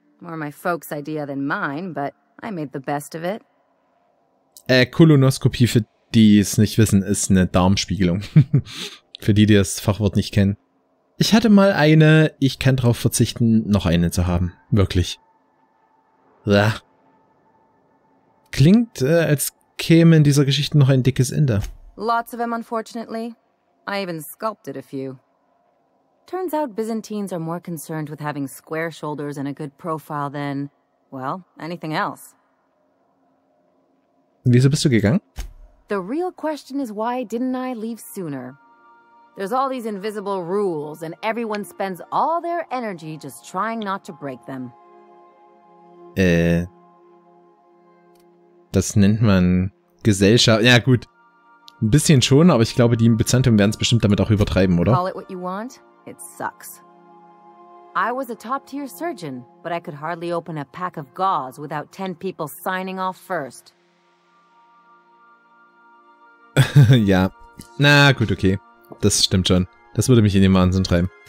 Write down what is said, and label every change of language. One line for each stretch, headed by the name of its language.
English: More my folks' idea than mine, but I made the best of it.
German: Kolonoskopie, für die es nicht wissen, ist eine Darmspiegelung. Für die, die das Fachwort nicht kennen. Ich hatte mal eine, ich kann drauf verzichten, noch eine zu haben. Wirklich. Blah. Klingt, als käme in dieser Geschichte noch ein dickes Ende.
English: Lots of them, unfortunately. I even sculpted a few. Turns out Byzantines are more concerned with having square shoulders and a good profile than, well, anything else.
German: Wieso bist du gegangen?
English: The real question is, why didn't I leave sooner? There's all these invisible rules and everyone spends all their energy just trying not to break them.
German: Das nennt man Gesellschaft. Ja, gut. Ein bisschen schon, aber ich glaube, die Byzantium werden es bestimmt damit auch übertreiben, oder?
English: Call it what you want. It sucks. I was a top-tier surgeon, but I could hardly open a pack of gauze without 10 people signing off first.
German: Ja. Na, gut, okay. Das stimmt schon. Das würde mich in den Wahnsinn treiben.